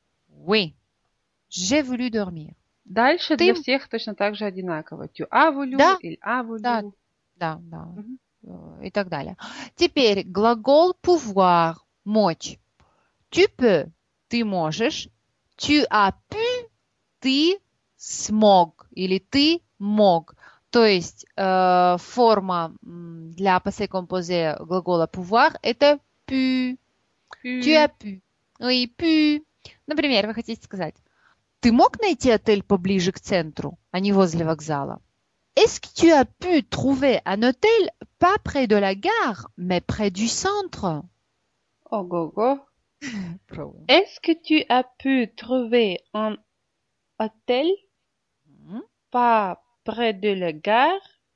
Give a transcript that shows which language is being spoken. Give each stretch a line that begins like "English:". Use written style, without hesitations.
French: Oui. J'ai voulu dormir.
Russian: Дальше ты... для всех точно так же одинаково.
French: Tu as voulu,
Russian: да. Или
French: a voulu.
Russian: Да, да, да. Mm-hmm. И так далее. Теперь глагол pouvoir, мочь.
French: Tu peux,
Russian: ты можешь.
French: Tu as pu,
Russian: ты смог. Или ты мог. То есть форма для passé composé глагола pouvoir это pu.
French: Tu as pu. Oui, pu.
Russian: Например, вы хотите сказать, ты мог найти отель поближе к центру, а не возле вокзала?
French: Est-ce que tu as pu trouver un hôtel pas près de la gare, mais près du centre?
Russian: Ого-го.
French: Est-ce que tu as pu trouver un hôtel pas près de la gare,